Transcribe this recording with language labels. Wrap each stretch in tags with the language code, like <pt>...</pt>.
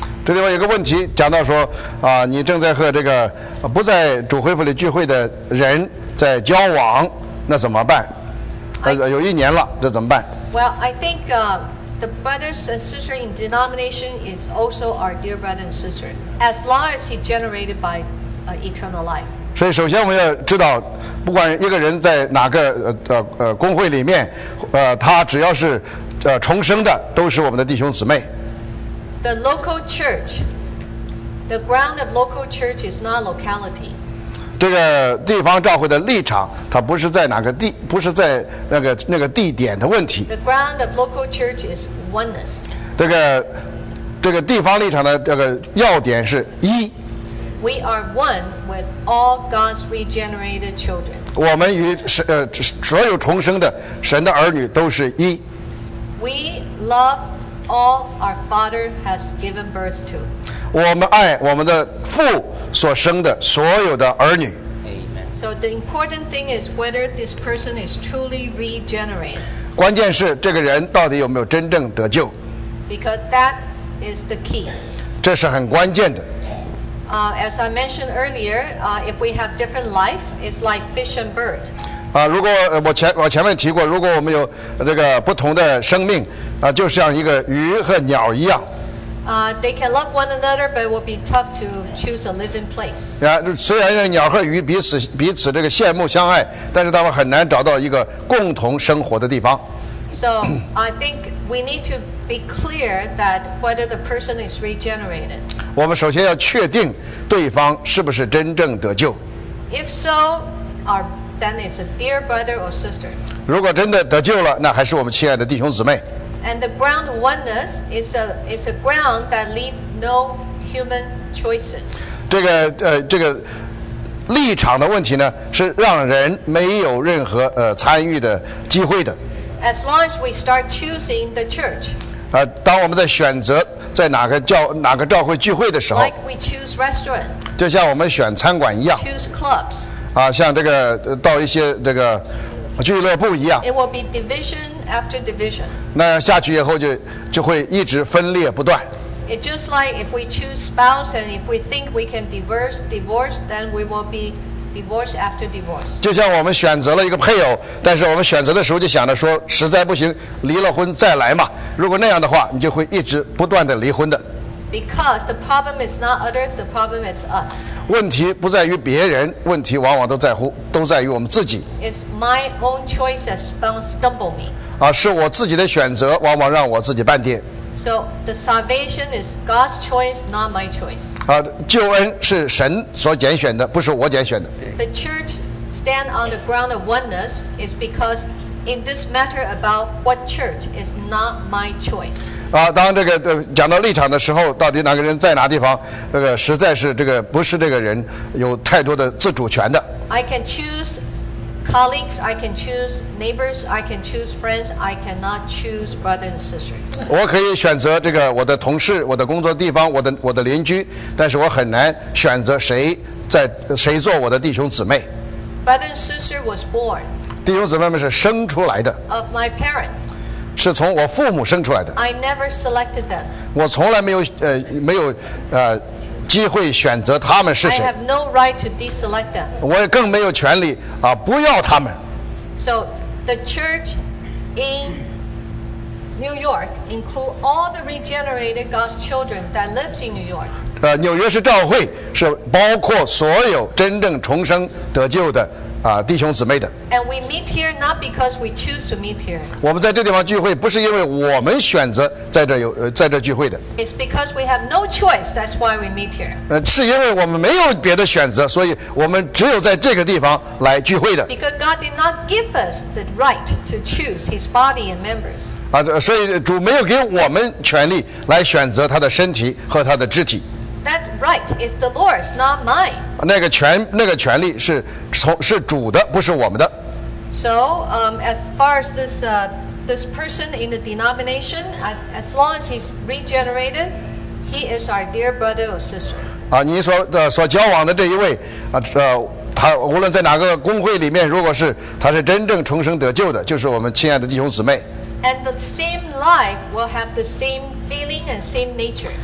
<zh>这地方有个问题讲到说你正在和这个不在主会府里聚会的人在交往，那怎么办？有一年了，这怎么办？</zh> <en>Well, I think the brothers and sisters in denomination is also our dear brother and sister, as long as he generated by eternal life.</en> <zh>所以首先我们要知道，不管一个人在哪个公会里面，他只要是重生的，都是我们的弟兄姊妹。</zh> <en>The local church, the ground of local church is not locality.</en> <zh>这个地方教会的立场，它不是在哪个地，不是在那个地点的问题。</zh> <en>The ground of local church is oneness.</en> <zh>这个地方立场的这个要点是一。</zh> <en>We are one with all God's regenerated children.</en> <zh>我们与所有重生的神的儿女都是一。</zh> <en>We love all our Father has given birth to.</en> <zh>我们爱我们的父所生的所有的儿女。</zh> <en>So the important thing is whether this person is truly regenerated.</en> <zh>关键是这个人到底有没有真正得救。</zh> <en>Because that is the key.</en> <zh>这是很关键的。</zh> <en>As I mentioned earlier, if we have different life, it's like fish and bird.</en> <zh>如果我前面提过，如果我们有这个不同的生命，就像一个鱼和鸟一样。</zh> <en>They can love one another, but it will be tough to choose a living place.</en> <zh>虽然鸟和鱼彼此这个羡慕相爱，但是他们很难找到一个共同生活的地方。</zh> <en>So I think we need to be clear that whether the person is regenerated.</en> <zh>我们首先要确定对方是不是真正得救。</zh> <en>If so, then it's a dear brother or sister.</en> <zh>如果真的得救了，那还是我们亲爱的弟兄姊妹。</zh> <en>And the ground oneness is a ground that leaves no human choices.</en> <zh>这个立场的问题呢，是让人没有任何参与的机会的。</zh> <en>As long as we start choosing the church.</en> <zh>当我们在选择在哪个教会聚会的时候</zh> <en>，like we choose restaurant.</en> <zh>就像我们选餐馆一样</zh> <en>，choose clubs.</en> <zh>像这个到一些这个俱乐部一样</zh> <en>，it will be division after division.</en> <zh>那下去以后就会一直分裂不断。</zh> <en>It's just like if we choose spouse and if we think we can divorce, then we will be divorce after divorce.</en> <zh>就像我们选择了一个配偶，但是我们选择的时候就想着说，实在不行，离了婚再来嘛。如果那样的话，你就会一直不断的离婚的。</zh> <en>Because the problem is not others, the problem is us.</en> <zh>问题不在于别人，问题往往都在于我们自己。</zh> <en>It's my own choice that stumbled me.</en> <zh>啊，是我自己的选择，往往让我自己绊跌。</zh> <en>So the salvation is God's choice, not my choice.</en> <zh>啊，救恩是神所拣选的，不是我拣选的。</zh> <en>The church stand on the ground of oneness is because in this matter about what church is not my choice.</en> <zh>啊，当这个讲到立场的时候，到底哪个人在哪地方，这个实在是这个不是这个人有太多的自主权的。</zh> <en>I can choose colleagues, I can choose neighbors, I can choose friends, I cannot choose brothers and sisters.</en> <zh>我可以选择这个我的同事、我的工作地方、我的邻居，但是我很难选择谁做我的弟兄姊妹。</zh> <en>Brother and sister was born.</en> <zh>弟兄姊妹们是生出来的。</zh> <en>Of my parents.</en> <zh>是从我父母生出来的。</zh> <en>I never selected them.</en> <zh>我从来没有机会选择他们是谁。</zh> <en>I have no right to deselect them.</en> <zh>我也更没有权利啊，不要他们。</zh> <en>So the church in New York include all the regenerated God's children that lives in New York.</en> <zh>纽约是教会，是包括所有真正重生得救的。弟兄姊妹的。</zh> <en>And we meet here not because we choose to meet here.</en> <zh>我们在这地方聚会不是因为我们选择在这聚会的。</zh> <en>It's because we have no choice, that's why we meet here.</en> <zh>是因为我们没有别的选择，所以我们只有在这个地方来聚会的。</zh> <en>Because God did not give us the right to choose his body and members.</en> <zh>所以主没有给我们权利来选择他的身体和他的肢体。</zh> <en>That right is the Lord's, not mine.</en> <zh>那个权利是主的，不是我们的。</zh> <en>So, as far as this person in the denomination, as long as he's regenerated, he is our dear brother or sister.</en> <zh>你所交往的这一位他无论在哪个公会里面，如果是他是真正重生得救的，就是我们亲爱的弟兄姊妹。</zh> <en>And the same life will have the same feeling and same nature.</en>